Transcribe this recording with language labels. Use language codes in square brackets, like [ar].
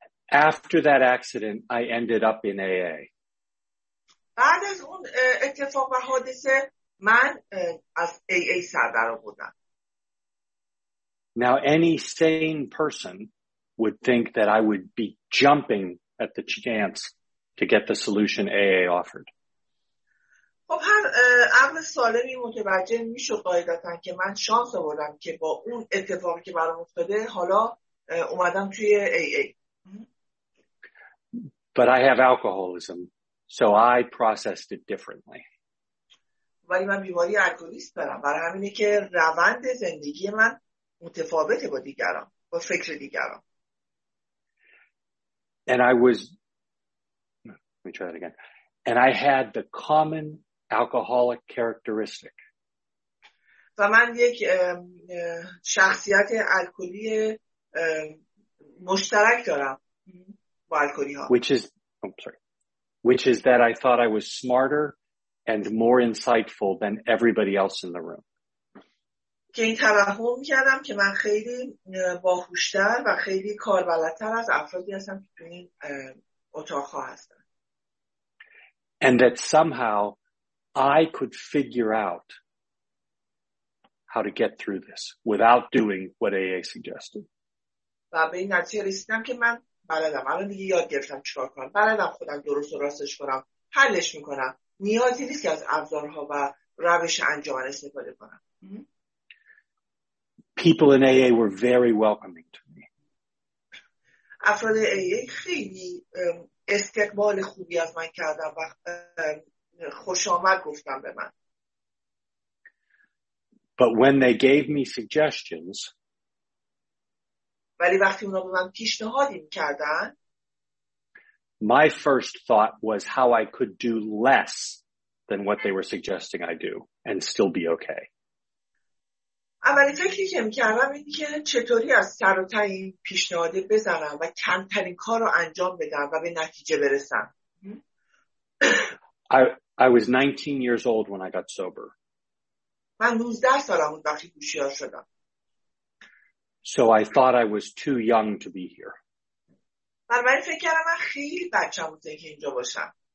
[en] After that accident I ended up in AA. [fa] بعد از اون اتفاق و حادثه من از AA سر در آوردم. [en] Now any sane person would think that I would be jumping at the chance to get the solution AA offered. [fa] خب هر عقل سالمی متوجه میشه قاعدتا که من شانس آوردم که با اون اتفاقی که برام افتاده حالا اومدم توی AA. [en] But I have alcoholism, so I processed it differently. [fa] ولی من بیماری الکلیست دارم، برای همینه که روند زندگی من متفاوته با دیگران، با فکر دیگران. [en] And I was And I had the common alcoholic characteristic. [fa] و من یک شخصیت الکلی مشترک دارم با الکلی ها. [en] Which is that I thought I was smarter and more insightful than everybody else in the room. [fa] که این توهم می‌کردم که من خیلی باهوش‌تر و خیلی کاربلدتر از افرادی هستم که تو این اتاق‌ها هستن. [en] And that somehow I could figure out how to get through this without doing what AA suggested. [fa] و به این نتیجه رسیدم که من بلدم. الان دیگه یاد گرفتم چیکار کنم. بلدم خودم درست و راستش کنم. حلش میکنم. نیازی نیست که از ابزارها و روش انجمن استفاده کنم. [en] People in AA were very welcoming to me. [fa] افراد AA خیلی استقبال خوبی از من کردن و خوش آمد گفتن به من. [en] But when they gave me suggestions, [fa] ولی وقتی اونا به من پیشنهادی می‌کردن, [en] my first thought was how I could do less than what they were suggesting I do and still be okay. [fa] اولین فکری که می‌کردم این که چطوری از سر و ته این پیشنهاد بزنم و کمترین کار رو انجام بدم و به نتیجه برسم. [en] I was 19 years old when I got sober. [fa] من 19 سالم بود وقتی هوشیار شدم. [en] So I thought I was too young to be here. [fa] بنابراین فکر کردم من خیلی بچه بود که اینجا باشم.